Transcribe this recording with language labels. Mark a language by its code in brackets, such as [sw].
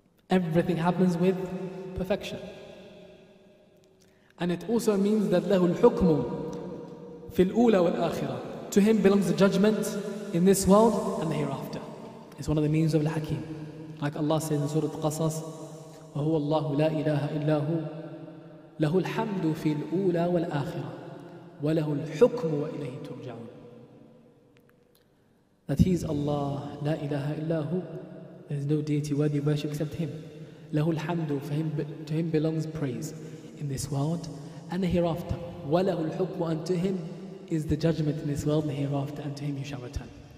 [en] Everything happens with perfection. And it also means that [ar] له الحكم في الأولى والآخرة. [en] To Him belongs the judgment in this world and the hereafter. It's one of the means of Al-Hakim. Like Allah says in Surah Qasas, [ar] وَهُوَ اللَّهُ لَا إِلَهَ إِلَّا هُوَ لَهُ الْحَمْدُ فِي الْأُولَى وَالْآخِرَةِ وَلَهُ الْحُكْمُ وَإِلَيْهِ تُرْجَعُونَ. [en] That He is Allah, [ar] لا إله إلا هو. [en] There is no deity worthy of worship except Him. [ar] لَهُ الْحَمْدُ, [en] for Him, to Him belongs praise in this world and the hereafter. [ar] وَلَهُ الْحُكْمُ, [en] unto Him is the judgment in this world and the hereafter, and to Him you shall return.